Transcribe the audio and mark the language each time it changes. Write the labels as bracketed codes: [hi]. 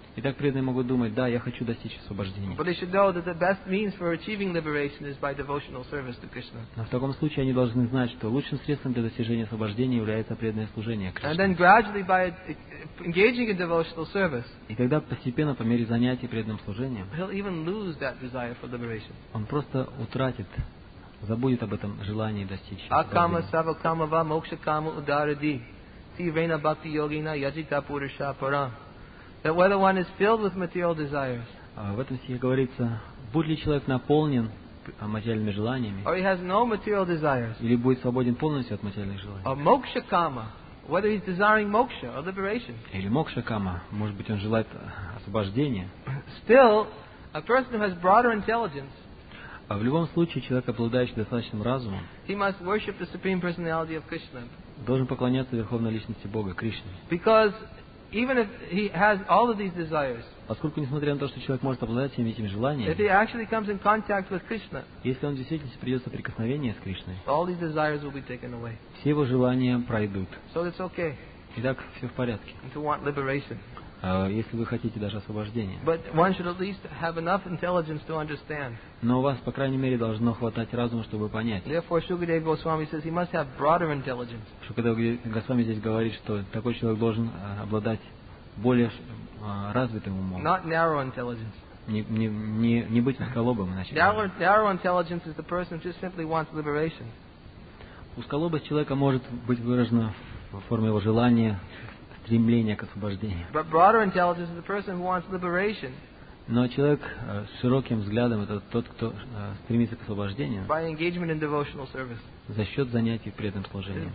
[ru] Итак, преданные могут думать, да, я хочу достичь освобождения. [en] But they should know that the best means for achieving liberation is by devotional service to Krishna. [ru] Но в таком случае они должны знать, что лучшим средством для достижения освобождения является преданное служение Кришне. [en] And then gradually by engaging in devotional service. [ru] И тогда постепенно по мере занятий преданным служением. [en] He'll even lose that desire for liberation. [ru] Он просто утратит, забудет об этом желании достичь. [sa] Акама савакама ва мокша кама ударади. Sivena bhakti yogina yajita purusha param. [en] That whether one is filled with material desires. [ru] В этом стихе говорится, будет ли человек наполнен материальными желаниями. [en] Or he has no material desires. [ru] Или будет свободен полностью от материальных желаний. [en] Or moksha kama, whether he's desiring moksha or liberation. [ru] Или moksha kama, может быть, он желает освобождения. [en] Still, a person who has broader intelligence. [ru] В любом случае, человек, обладающий достаточным разумом. [en] He must worship the supreme personality of Krishna. [ru] Должен поклоняться верховной личности Бога Кришне. [en] Because even if he has all of these desires, [ru] поскольку несмотря на то, что человек может обладать всеми этими желаниями, [en] if he actually comes in contact with Krishna, [ru] если он действительно придет в соприкосновение с Кришной, [en] all these desires will be taken away. [ru] Все его желания пройдут. [en] So it's okay. [ru] Итак, все в порядке. [en] To want liberation. [ru] Если вы хотите даже освобождения. [en] But one should at least have enough intelligence to understand. [ru] Но у вас, по крайней мере, должно хватать разума, чтобы понять. [en] Therefore, Shukadeva Goswami says he must have broader intelligence. [ru] Шукадева Госвами здесь говорит, что такой человек должен обладать более развитым умом. [en] Not narrow intelligence. [ru] Не быть узколобым, иначе. [en] Narrow intelligence is the person who just simply wants liberation. [ru] Узколобость человека может быть выражена в форме его желания. Стремление к освобождению. [en] But broader intelligence is the person who wants liberation. [ru] Но человек с широким взглядом это тот, кто стремится к освобождению. [en] By engagement in devotional service. [ru] За счет занятий преданным служением.